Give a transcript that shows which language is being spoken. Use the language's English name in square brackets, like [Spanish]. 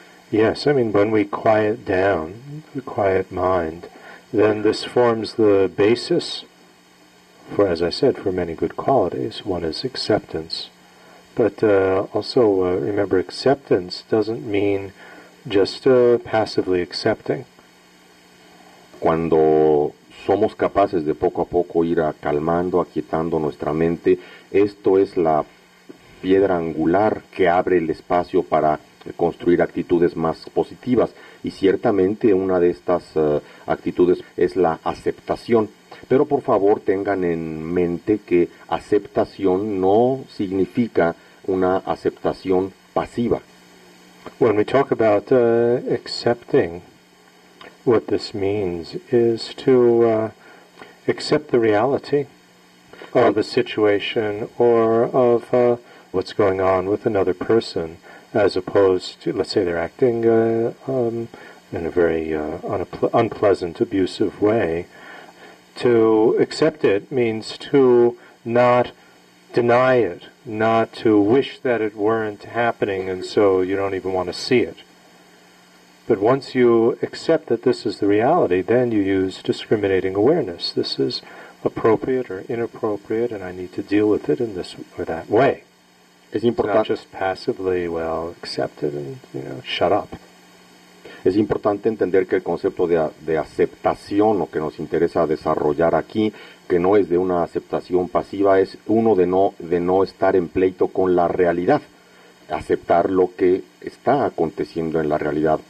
[English] Yes, I mean, when we quiet down, we quiet mind, then this forms the basis for, as I said, for many good qualities. One is acceptance. But remember, acceptance doesn't mean just passively accepting. [Spanish] Cuando somos capaces de poco a poco ir calmando, aquietando nuestra mente, esto es la piedra angular que abre el espacio para construir actitudes más positivas. Y ciertamente una de estas actitudes es la aceptación. Pero por favor tengan en mente que aceptación no significa una aceptación pasiva. [English] When we talk about accepting, what this means is to accept the reality. of a situation or of what's going on with another person, as opposed to, let's say, they're acting in a very unpleasant, abusive way. To accept it means to not deny it, not to wish that it weren't happening, and so you don't even want to see it. But once you accept that this is the reality, then you use discriminating awareness. This is appropriate or inappropriate, and I need to deal with it in this or that way. [Spanish] Es importante. [English] Not just passively, well, accept it and, you know, shut up. [Spanish] Es importante entender que el concepto de aceptación, lo que nos interesa desarrollar aquí, que no es de una aceptación pasiva, es uno de no estar en pleito con la realidad. Aceptar lo que está aconteciendo en la realidad.